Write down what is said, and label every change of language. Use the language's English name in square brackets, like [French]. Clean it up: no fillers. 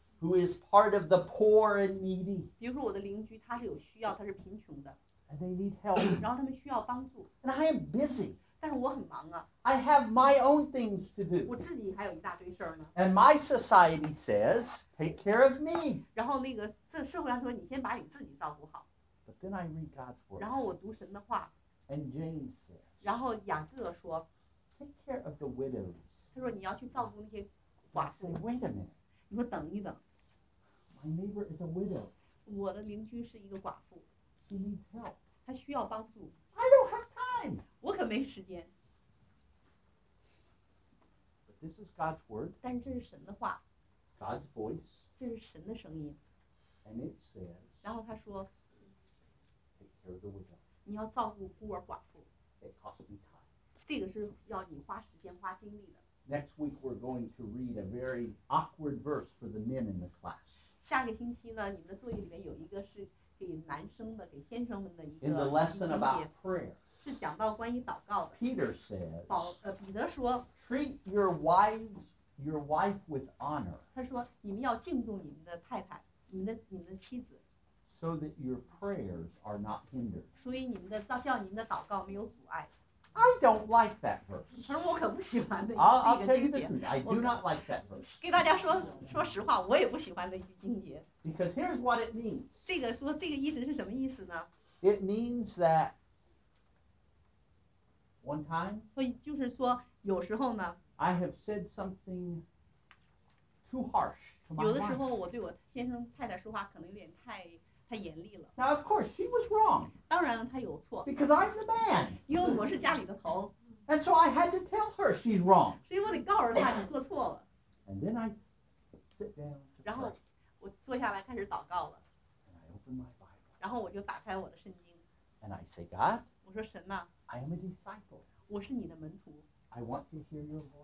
[English] Who is part of the poor and needy. [Chinese] 比如说我的邻居，他是有需要，他是贫穷的。 [English] And they need help. [Chinese] 然后他们需要帮助。 [English] And I am busy. [Chinese] 但是我很忙啊。 [English] I have my own things to do. [Chinese] 我自己还有一大堆事儿呢。 [English] And my society says, take care of me. [Chinese] 然后那个这社会上说，你先把你自己照顾好。 [English] But then I read God's word. [Chinese] 然后我读神的话。 [English] And James says. [Chinese] 然后雅各说。 [English] Take care of the widows. [Chinese] 他说你要去照顾那些寡妇。 [English] Say, wait a minute. [Chinese] 你说等一等。 [English] My neighbor is a widow. [Chinese] 我的邻居是一个寡妇。 [English] She needs help. [Chinese] 她需要帮助。 [English] I don't have time. [Chinese] 我可没时间。 [English] This is God's word. [Chinese] 但这是神的话。 [English] God's voice. [Chinese] 这是神的声音。 [English] And it says. [Chinese] 然后他说。 [English] Take care of the widow. [Chinese] 你要照顾孤儿寡妇。 [English] It costs me time. [Chinese] 这个是要你花时间花精力的。 [English] Next week we're going to read a very awkward verse for the men in the class. [Chinese] 下个星期呢，你们的作业里面有一个是给男生的，给先生们的一个。 [English] In the lesson about prayer. [Chinese] 是讲到关于祷告的。 [English] Peter says. [Chinese] 彼得说。 [English] Treat your wives, your wife with honor. [Chinese] 他说你们要敬重你们的太太，你们的妻子。 [English] So that your prayers are not hindered. [Chinese] 所以你们的叫你们的祷告没有阻碍。 [English] I don't like that verse. [Chinese] 他说我可不喜欢那句经节。 [English] I'll tell you the truth. I do not like that verse. [Chinese] 给大家说实话，我也不喜欢那句经节。 [English] Because here's what it means. [Chinese] 这个意思是什么意思呢 [English] ？It means that one time. [Chinese] 所以就是说。有时候呢 [English] ，I have said something too harsh to my wife. [Chinese] 有的时候我对我先生太太说话可能有点太严厉了。 [English] Now of course she was wrong. [Chinese] 当然了，她有错。 [English] Because I'm the man. [Chinese] 因为我是家里的头。 [English] And so I had to tell her she's wrong. [Chinese] 所以我得告诉她你做错了。 [English] And then I sit down. [Chinese] 然后我坐下来开始祷告了。 [English] And I open my Bible. [Chinese] 然后我就打开我的圣经。 [English] And I say, God. [Chinese] 我说神呐。 [English] I am a disciple. [Chinese] 我是你的门徒。 [English] I want to hear your voice.